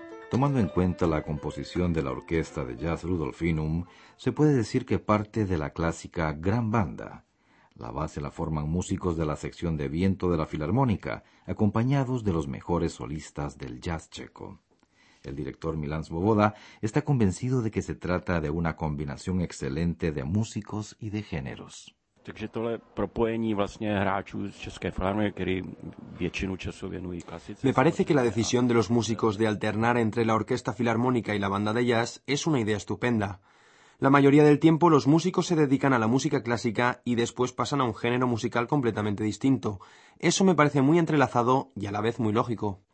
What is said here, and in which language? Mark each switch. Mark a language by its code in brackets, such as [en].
[es] Tomando en cuenta la composición de la orquesta de jazz Rudolfinum, se puede decir que parte de la clásica gran banda. La base la forman músicos de la sección de viento de la Filarmónica, acompañados de los mejores solistas del jazz checo. El director Milan Svoboda está convencido de que se trata de una combinación excelente de músicos y de géneros. [cs] Takže tohle propojení vlastně hráčů z České filharmonie, který většinu času věnují klasice. [es] Me parece que la decisión de los músicos de alternar entre la orquesta filarmónica y la banda de jazz es una idea estupenda. La mayoría del tiempo los músicos se dedican a la música clásica y después pasan a un género musical completamente distinto. Eso me parece muy entrelazado y a la vez muy lógico.